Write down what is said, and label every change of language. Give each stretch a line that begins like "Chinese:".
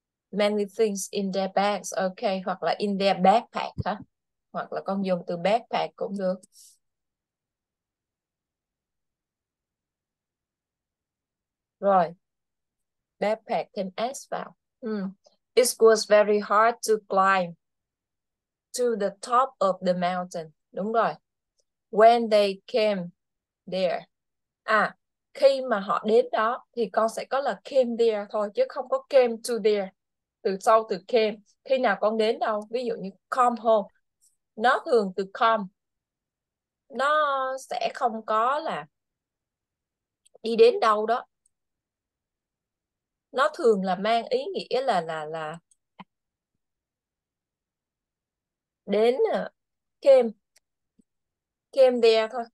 English: Many things in their bags, ok,
Vietnamese: hoặc là
English: in their backpack hả?
Vietnamese: Hoặc là con dùng từ backpack cũng được. Rồi. Backpack thêm S vào.
English: It was very hard to climb to the top of the mountain.
Vietnamese: Đúng rồi.
English: When they came there.
Vietnamese: À, khi mà họ đến đó thì con sẽ có là
English: came there
Vietnamese: thôi, chứ không có
English: came to there.
Vietnamese: Từ sau từ came, khi nào con đến đâu, ví dụ như
English: come home,
Vietnamese: nó thường từ come, nó sẽ không có là đi đến đâu đó, nó thường là mang ý nghĩa là đến
English: came came there
Vietnamese: thôi.